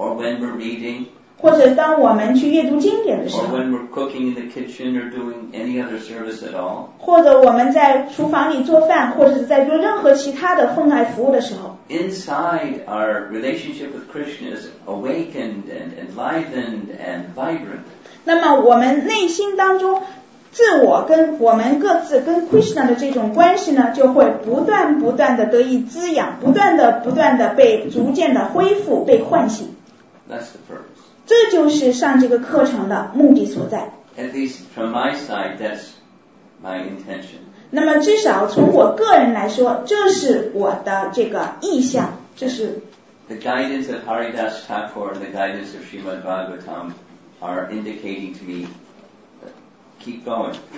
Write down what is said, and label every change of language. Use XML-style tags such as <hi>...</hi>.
<en>or when we're reading,</en> <zh>或者当我们去阅读经典的时候</zh> <en>or when we're cooking in the kitchen or doing any other service at all,</en> <zh>或者我们在厨房里做饭或者在做任何其他的奉爱服务的时候</zh> <en>inside our relationship with Krishna is awakened and enlivened and vibrant.</en> <zh>那么我们内心当中自我跟我们各自跟 Krishna 的这种关系呢就会不断不断的得以滋养不断的不断的被逐渐的恢复被唤醒。</zh> <en>That's the purpose.</en> <zh>这就是上这个课程的目的所在。</zh> <en>At least from my side, that's my intention.</en> <zh>那么至少从我个人来说，这是我的这个意向，这是。</zh> <en>The guidance of Haridas Thakur and the guidance of Srimad Bhagavatam are indicating to me, keep going.</en>